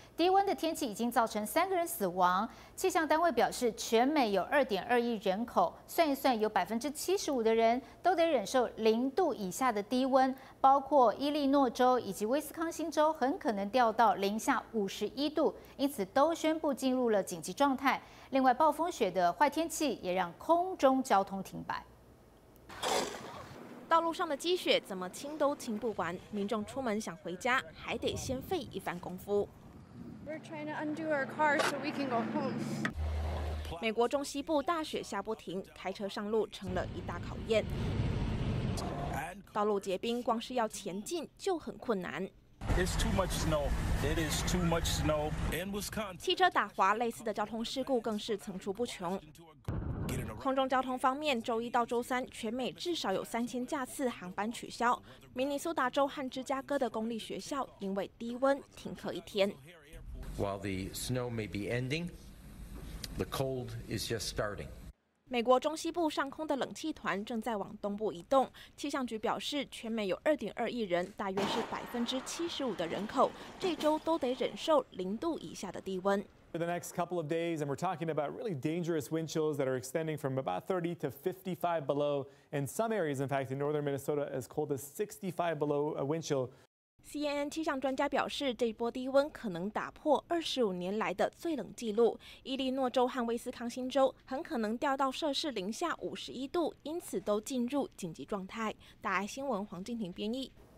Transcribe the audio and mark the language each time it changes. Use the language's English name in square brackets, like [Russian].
[Chinese] 低温的天气已经造成3个人死亡。气象单位表示，全美有2.2亿人口，算一算有75%的人都得忍受0度以下的低温，包括伊利诺州以及威斯康星州，很可能掉到-51度，因此都宣布进入了紧急状态。另外，暴风雪的坏天气也让空中交通停摆。道路上的积雪怎么清都清不完，民众出门想回家，还得先费一番功夫。 [English] We're trying to undo our car so we can go home. [Chinese] 美国中西部大雪下不停，开车上路成了一大考验。道路结冰，光是要前进就很困难。 [English] It's too much snow. It is too much snow in Wisconsin. [Chinese] 汽车打滑，类似的交通事故更是层出不穷。空中交通方面，周一到周三，全美至少有3000架次航班取消。明尼苏达州和芝加哥的公立学校因为低温停课一天。 [English] While the snow may be ending, the cold is just starting. [Chinese] 美国中西部上空的冷气团正在往东部移动。气象局表示，全美有2.2亿人，大约是75%的人口，这周都得忍受0度以下的低温。 [English] For the next couple of days, and we're talking about really dangerous wind chills that are extending from about 30 to 55 below. In some areas, in fact, in northern Minnesota, as cold as 65 below a wind chill. [Chinese] CNN 气象专家表示，这波低温可能打破25年来的最冷记录。伊利诺州和威斯康星州很可能掉到摄氏-51°，因此都进入紧急状态。大爱新闻黄静婷编译。